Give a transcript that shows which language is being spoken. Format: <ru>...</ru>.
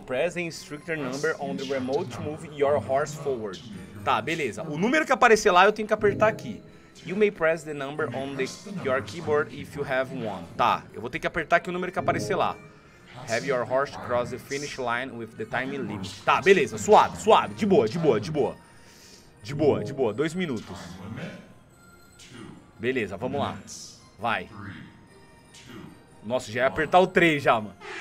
<en>Press the instructor number on the remote to move your horse forward.</en> <pt>Tá, beleza. O número que aparecer lá, eu tenho que apertar aqui.</pt> <en>You may press the number on the, your keyboard if you have one.</en> <pt>Tá, eu vou ter que apertar aqui o número que aparecer lá.</pt> <en>Have your horse cross the finish line with the time limit.</en> <pt>Tá, beleza. Suave, suave. De boa, de boa, de boa. De boa, de boa. 2 minutos. Beleza, vamos lá. Vai. Nossa, já ia apertar o 3 já, mano.</pt>